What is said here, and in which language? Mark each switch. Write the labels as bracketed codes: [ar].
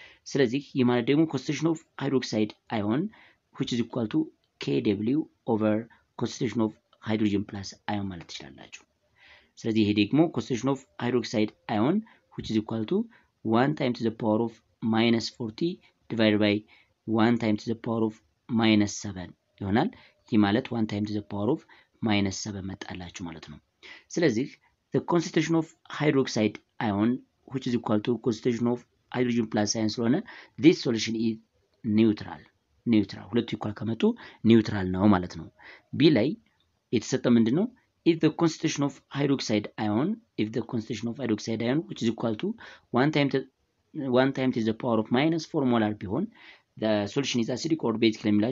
[en] ስለዚህ ይህ ማለት ደግሞ concentration of hydroxide ion which is equal to kw over concentration of hydrogen plus ion [am] ማለት ትችላላችሁ። ስለዚህ ይሄ ደግሞ [en] concentration of hydroxide ion which is equal to 1 times to the power of minus 40 divided by 1 times to the power of minus 7 [am] ይሆናል። ይህ ማለት [en] 1 times the power of minus 7 [am] መጣላችሁ ማለት ነው። ስለዚህ [en] the concentration of hydroxide ion which is equal to concentration of hydrogen plus ion [am] ስለሆነ [en] this solution is neutral. Neutral. [am] ሁለቱ ይኳል ከመጡ neutral ነው ማለት ነው። B ላይ የተሰጠ ምንድን ነው? [en] If the concentration of hydroxide ion, if the concentration of hydroxide ion, which is equal to one time to the power of minus 4 molar pion, the solution is acidic or basic.